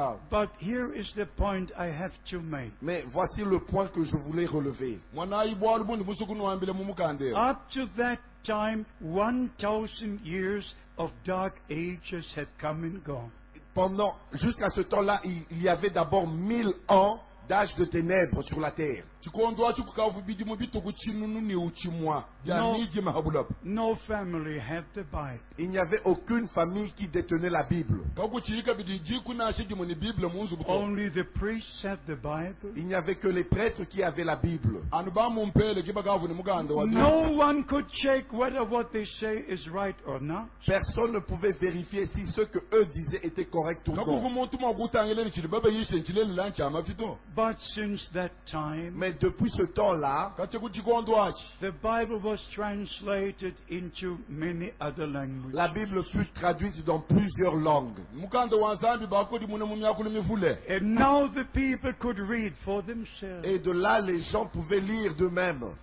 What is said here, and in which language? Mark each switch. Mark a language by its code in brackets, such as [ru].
[en] But here is the point I have to make. [fr] Mais voici le point que je voulais relever. [en] Up to that time, 1,000 years of dark ages had come and gone. [fr] Pendant, jusqu'à ce temps-là, il y avait d'abord 1,000 ans d'âge de ténèbres sur la terre. [en] No family had the Bible. [fr] Il n'y avait aucune famille qui détenait la Bible. [en] Only the priests had the Bible. [fr] Il n'y avait que les prêtres qui avaient la Bible. [en] No one could check whether what they say is right or not. [fr] Personne ne pouvait vérifier si ce que eux disaient était correct ou non. [en] But since that time. [fr] Mais depuis ce temps-là, [en] the Bible was translated into many other languages. [fr] La Bible fut traduite dans plusieurs langues. [en] And now the people could read for themselves. [fr] Et de là, les gens pouvaient lire d'eux-mêmes.